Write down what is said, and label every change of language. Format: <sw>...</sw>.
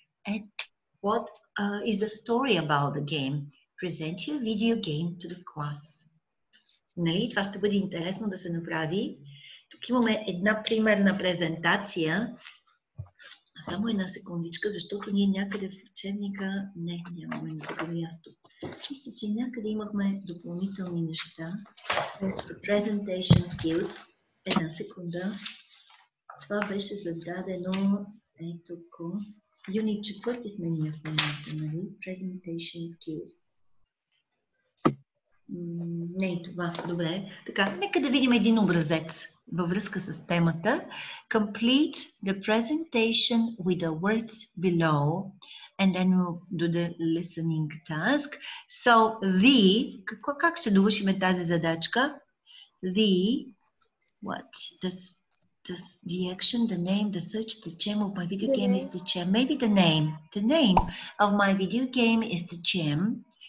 <en>And what is the story about the game? Present your video game to the class.</en> <bg>Нали, това ще бъде интересно да се направи. Тук имаме една примерна презентация. Само една секундичка, защото ние някъде в учебника не нямаме на друго място. Мисля, че някъде имахме допълнителни неща.</bg> <en>Presentation skills.</en> <bg>Една секунда. Това беше зададено. Ето ко. Юнит 4 сме ние в момента, нали?</bg> <en>Presentation skills.</en> <bg>Не и това. Добре. Така, нека да видим един образец във връзка с темата.</bg> <en>Complete the presentation with the words below and then we'll do the listening task. So, the,</en> <bg>как ще довършим тази задачка?</bg> <en>The, what? The action, the name, the search, the gem of my video game is the gem. Maybe the name. The name of my video game is the gem.</en>